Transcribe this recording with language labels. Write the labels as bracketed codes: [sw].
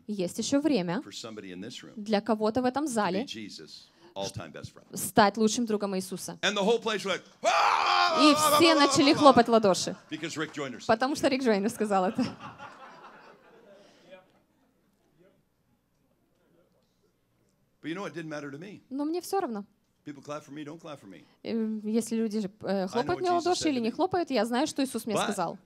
[ru] Есть еще время. [en] For somebody in this room. [ru] Для кого-то в этом зале. [en] To be Jesus, all-time best friend. [ru] Стать лучшим другом Иисуса. [en] And the whole place went. [ru] И все начали хлопать в ладоши. [en] Because Rick Joyner said. [ru] Потому что Рик Джойнер сказал это. [en] But you know, it didn't matter to me. [ru] Но мне все равно. [en] People clap for me, don't clap for me. [ru] Если люди хлопают мне в ладоши или не хлопают, я знаю, что Иисус мне сказал.